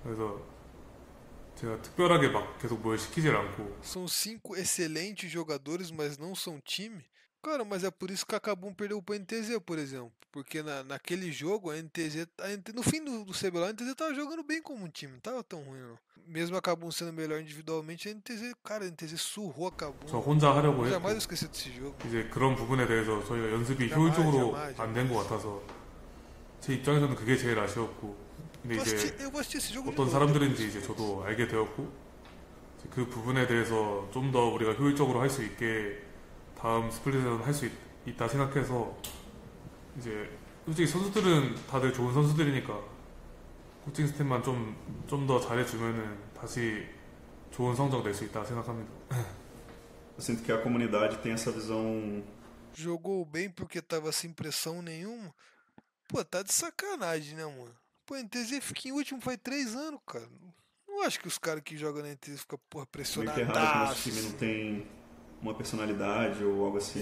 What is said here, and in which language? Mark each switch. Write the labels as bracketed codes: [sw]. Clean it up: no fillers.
[ko] 그래서 제가 특별하게 막 계속 뭘 시키질 않고 [pt] são cinco excelentes jogadores, mas não são time. Cara, mas é por isso que acabou perdeu pro NTZ, por exemplo. Porque naquele jogo, no fim do CBLOL, a NTZ tava jogando bem como um time, não tava tão ruim, não. Mesmo acabou sendo melhor individualmente, a NTZ, cara, a NTZ surrou acabou. [ko] Só 혼자 하려고 했고. [pt] Jamais esqueci desse jogo. [ko] 이제 그런 부분에 대해서 저희가 연습이 효율적으로 안 된 것 같아서 제 입장에서는 그게 제일 아쉬웠고. 근데 이제 어떤 사람들인지 이제 저도 알게 되었고 그 부분에 대해서 좀 더 우리가 효율적으로 할 수 있게 다음 스플릿에서는 할 수 있다 생각해서 이제 솔직히 선수들은 다들 좋은 선수들이니까 코칭 스텝만 좀 더 잘해주면은 다시 좋은 성적 낼 수 있다 생각합니다. [pt] Eu sinto que a comunidade tem essa visão. Jogou bem porque tava sem pressão nenhuma. Pô, tá de sacanagem, né, mano? Pô, a NTZ fica em último faz 3 anos, cara. Não acho que os caras que jogam na NTZ ficam, porra, pressionados. Meio que errado que nosso time não tem uma personalidade ou algo assim.